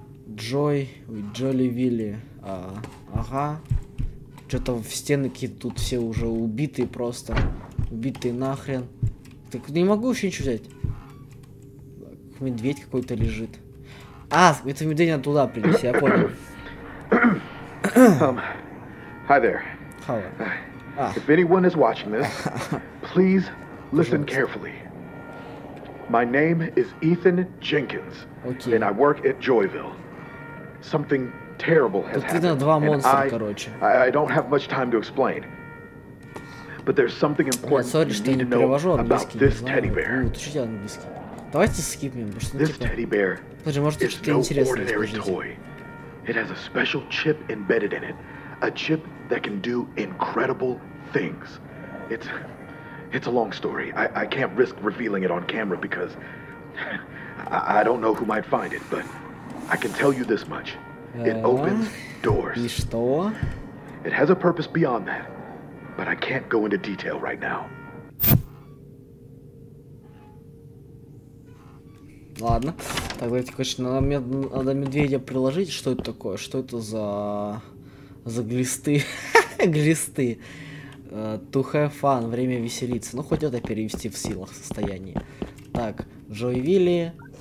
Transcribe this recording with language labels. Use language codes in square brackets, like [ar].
[ru] Джой. Джоли Вилли. Ага. Что-то в стены какие-то тут все уже убитые просто. Убитые нахрен. Так не могу вообще ничего взять. Медведь какой-то лежит. А, это медведь надо туда принести, я понял. [en] Hi there. Hello. If anyone is watching this, please listen carefully. My name is Ethan Jenkins, okay. And I work at Joyville. Something terrible has happened, and I don't have much time to explain. But there's something important you need to know about this teddy bear. [ru] Давайте скипнем, потому что, ну, типа... [en] This teddy bear is no ordinary toy. It has a special chip embedded in it. A chip that can do incredible things. It's a long story. I can't risk revealing it on camera because I don't know who might find it, but I can tell you this much. It opens doors. [ru] И что? [en] It has a purpose beyond that, but I can't go into detail right now. [ru] Ладно. Так, давайте, конечно, надо медведя приложить. Что это такое? Что это за... За глисты? Глисты. [en] To have fun. [ru] Время веселиться. Ну, хоть это перевести в силах состояние. Так, Джой Вилли.